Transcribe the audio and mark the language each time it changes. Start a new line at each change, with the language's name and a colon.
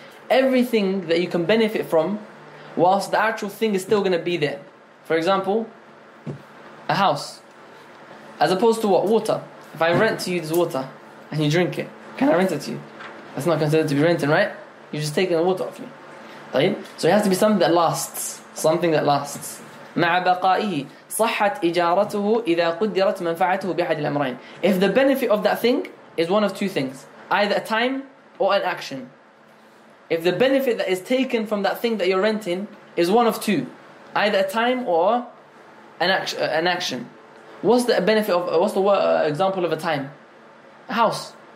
English: Everything that you can benefit from, whilst the actual thing is still going to be there. For example, a house. As opposed to what? Water. If I rent to you this water, and you drink it, can I rent it to you? That's not considered to be renting, right? You're just taking the water off me. So it has to be something that lasts. Something that lasts.
Arabic: مع بقائه صحت إجارته إذا قدرت منفعته بأحد الأمرين.
English: If the benefit of that thing is one of two things, either a time or an action. If the benefit that is taken from that thing that you're renting is one of two, either a time or an action. What's the benefit of, what's the example of a time? A house.